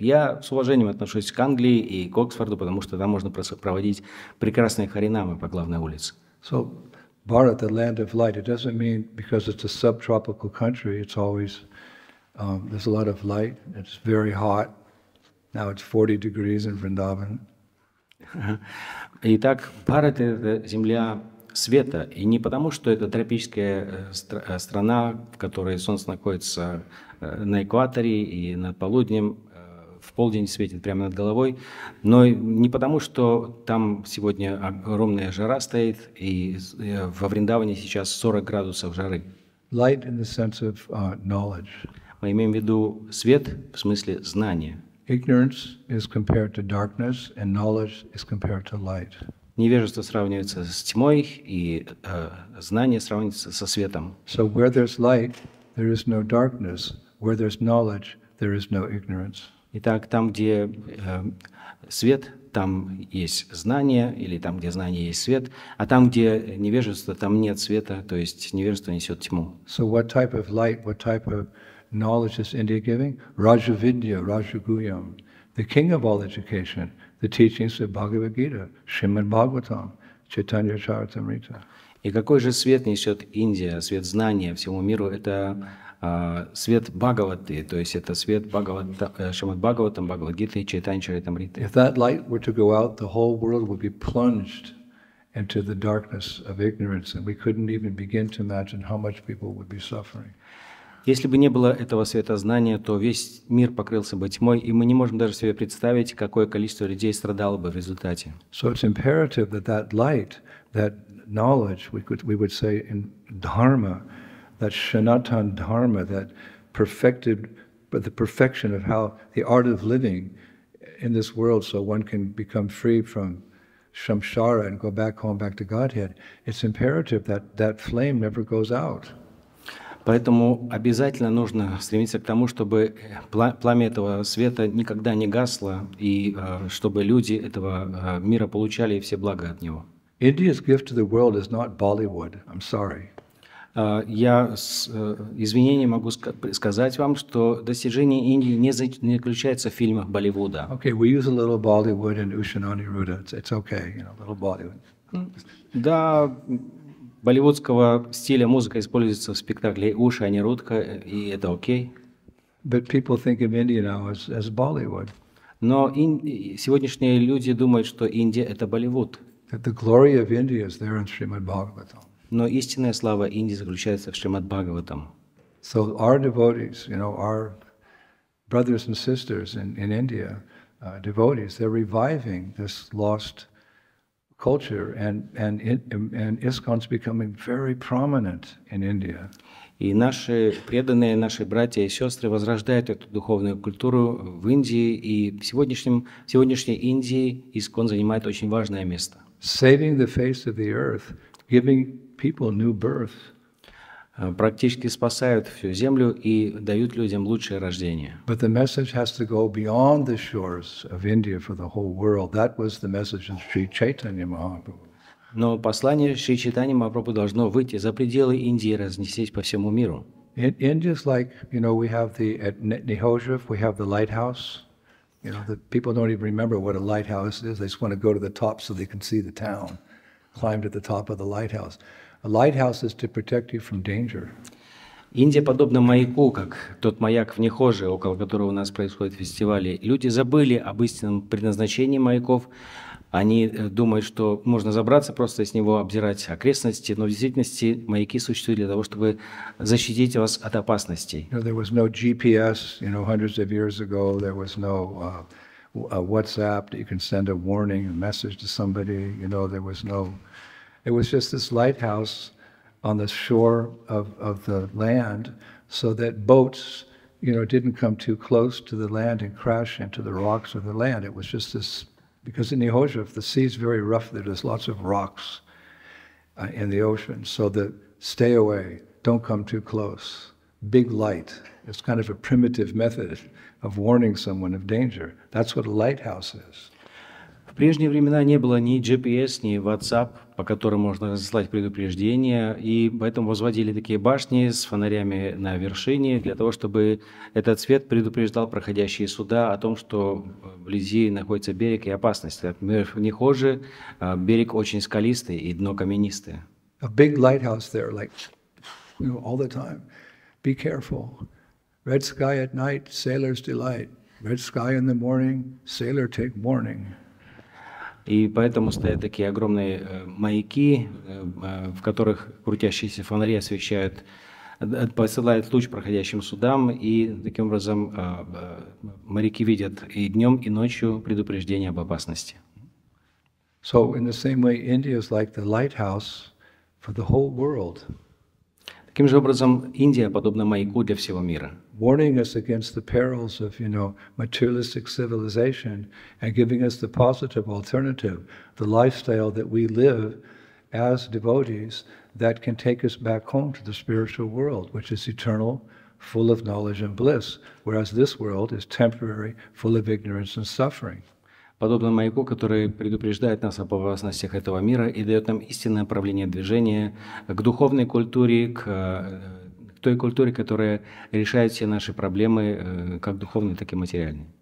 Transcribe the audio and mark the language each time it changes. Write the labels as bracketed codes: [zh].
[ru] Я с уважением отношусь к Англии и к Оксфорду, потому что там можно проводить прекрасные харинамы по главной улице. [en] So, Bharat, the land of light, it doesn't mean because it's a subtropical country, it's always, there's a lot of light, it's very hot. Now it's 40 degrees in Vrindavan. [ru] Итак, Bharat – это земля света, и не потому, что это тропическая страна, в которой солнце находится на экваторе и над полуднем, в полдень светит прямо над головой, но не потому, что там сегодня огромная жара стоит, и во Вриндаване сейчас 40 градусов жары. [en] Light in the sense of knowledge. [ru] Мы имеем в виду свет в смысле знания. [en] Ignorance is compared to darkness, and knowledge is compared to light. [ru] Невежество сравнивается с тьмой, и знание сравнивается со светом. [en] So where there's light, there is no darkness. Where there's knowledge, there is no ignorance. [ru] Итак, там, где свет, там есть знание, или там, где знание, есть свет. А там, где невежество, там нет света, то есть невежество несет тьму. [en] So what type of light, what type of knowledge is India giving? Rajavidya, Rajaguyam, the king of all education. The teachings of Bhagavad Gita, Shrimad Bhagavatam, Chaitanya Charitamrita. [ru] И какой же свет несет Индия, свет знания всему миру? Это свет Бхагаваты, то есть это свет Шримад Бхагаватам, Бхагавад Гиты, Чайтанья Чаритамриты. [en] If that light were to go out, the whole world would be plunged into the darkness of ignorance, and we couldn't even begin to imagine how much people would be suffering. [ru] Если бы не было этого света знания, то весь мир покрылся бы тьмой, и мы не можем даже себе представить, какое количество людей страдало бы в результате. [en] So it's imperative that that light, that knowledge, we would say in dharma, that shanatan dharma, that perfected, but the perfection of how the art of living in this world, so one can become free from samsara and go back home, back to Godhead. It's imperative that that flame never goes out. [ru] Поэтому обязательно нужно стремиться к тому, чтобы пламя этого света никогда не гасло, и чтобы люди этого мира получали все блага от него. [en] India's gift to the world is not Bollywood. I'm sorry. [ru] Я с извинением могу сказать вам, что достижение Индии не заключается в фильмах Болливуда. [en] Okay, we use a little Bollywood in Ushanani Ruda. It's okay, you know, a little Bollywood. [ru] Да. Болливудского стиля музыка используется в спектакле «Уши, а не Рудка», и это окей. [en] But people think of India now as Bollywood. [ru] Но сегодняшние люди думают, что Индия – это Болливуд. [en] That the glory of India is there in Shrimad Bhagavatam. [ru] Но истинная слава Индии заключается в Шримад Бхагаватам. [en] So our devotees, you know, our brothers and sisters in India, devotees, they're reviving this lost culture and ISKCON's becoming very prominent in India. [ru] И наши преданные, наши братья и сестры возрождают эту духовную культуру в Индии, и в сегодняшней Индии ISKCON занимает очень важное место. [en] Saving the face of the earth, giving people new birth. [ru] практически спасают всю землю и дают людям лучшее рождение. [en] But the message has to go beyond the shores of India for the whole world. That was the message of Sri Chaitanya Mahaprabhu. [ru] Но послание Шри Чайтаньи Махапрабху должно выйти за пределы Индии и разнестись по всему миру. [en] India is like, you know, we have the at Nihojev, we have the lighthouse. You know, the people don't even remember what a lighthouse is. They just want to go to the top so they can see the town, climb to the top of the lighthouse. A lighthouse is to protect you from danger. [ru] Индия подобна маяку, как тот маяк в Нихоже, около которого у нас происходят фестивали. Люди забыли об истинном предназначении маяков. Они думают, что можно забраться просто с него, обзирать окрестности, но в действительности маяки существуют для того, чтобы защитить вас от опасностей. [en] You know, there was no GPS, you know, hundreds of years ago. There was no WhatsApp that you can send a warning, a message to somebody. You know, there was no. It was just this lighthouse on the shore of the land, so that boats, you know, didn't come too close to the land and crash into the rocks of the land. It was just this. Because in Nihojev, if the sea is very rough, there's lots of rocks in the ocean. So the stay away, don't come too close, big light. It's kind of a primitive method of warning someone of danger. That's what a lighthouse is. [ru] В прежние времена не было ни GPS, ни WhatsApp, по которым можно разослать предупреждения, и поэтому возводили такие башни с фонарями на вершине для того, чтобы этот свет предупреждал проходящие суда о том, что вблизи находится берег и опасность. Например, в Нихоже берег очень скалистый и дно каменистое. [en] A big lighthouse there, like, you know, all the time. Be careful. Red sky at night, sailors delight. Red sky in the morning, sailor take warning. [ru] И поэтому стоят такие огромные маяки, в которых крутящиеся фонари освещают, посылают луч проходящим судам, и таким образом моряки видят и днем, и ночью предупреждение об опасности. [en] So in the same way, India is like the lighthouse for the whole world. [ru] Таким же образом, Индия подобна маяку для всего мира. [en] Warning us against the perils of, you know, materialistic civilization and giving us the positive alternative, the lifestyle that we live as devotees that can take us back home to the spiritual world, which is eternal, full of knowledge and bliss, whereas this world is temporary, full of ignorance and suffering. [ru] Подобно маяку, который предупреждает нас об опасностях этого мира и дает нам истинное направление движения к духовной культуре, к той культуре, которая решает все наши проблемы, как духовные, так и материальные.